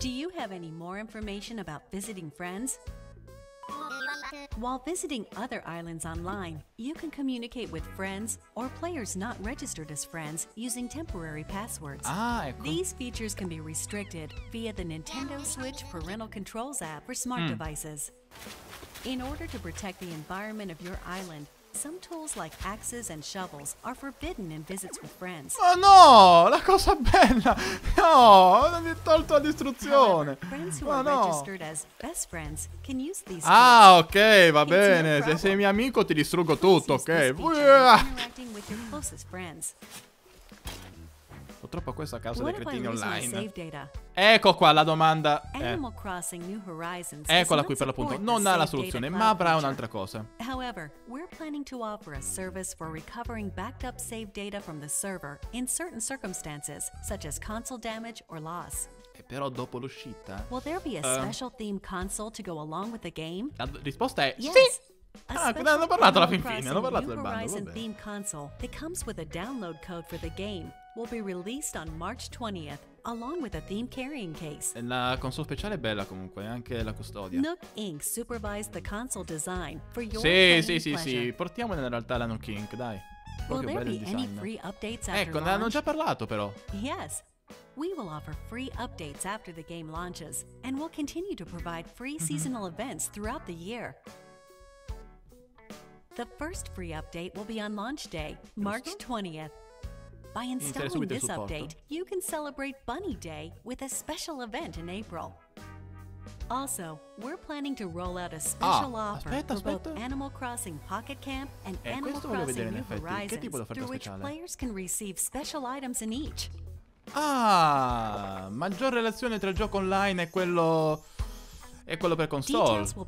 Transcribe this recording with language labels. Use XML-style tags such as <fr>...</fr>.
<en>Do you have any more information about visiting friends? While visiting other islands online, you can communicate with friends or players not registered as friends using temporary passwords. These features can be restricted via the Nintendo Switch Parental Controls app for smart devices. In order to protect the environment of your island, some tools like axes and shovels are forbidden in visits with friends.</en> <it>Ma no, la cosa bella! No, non mi è tolto la distruzione!</it> <en>Registered as best friends can use these tools.</en> <it>Ok, va bene. Se sei mio amico ti distruggo tutto, ok?</it> <en>Interacting with your closest friends.</en> <it>Purtroppo questo a causa dei cretini online.</it> <en>Save data?</en> <it>Ecco qua la domanda.</it> <en>Animal Crossing New Horizons.</en> <it>Eccola qui per l'appunto. Non ha la soluzione, ma avrà un'altra cosa.</it> <en>However, we're planning to offer a service for recovering backed up save data from the server in certain circumstances, such as console damage or loss.</en> <it>Però dopo l'uscita.</it> <en>Will there be a special themed console to go along with the game?</en> <it>La risposta è sì. Ah, hanno parlato alla fin fine, hanno parlato del bando.</it> <en>Horizon theme console that comes with a download code for the game will be released on March 20th along with a theme carrying case.</en> <it>La console speciale è bella comunque, anche la custodia.</it> <en>Nook Inc. supervised the console design for your</en> <it>Sì, portiamo nella realtà la Nook Inc., dai.</it> <en>Will there be any free updates after launch?</en> <it>Ne hanno già parlato però.</it> <en>Yes. We will offer free updates after the game launches and will continue to provide free seasonal events throughout the year. The first free update will be on launch day, March 20th. By installing this update, you can celebrate Bunny Day with a special event in April. Also, we're planning to roll out a special offer for both Animal Crossing Pocket Camp and Animal Crossing New Horizons, through which players can receive special items in each.</en> <it>Maggior relazione tra il gioco online e quello... E quello per console.</it>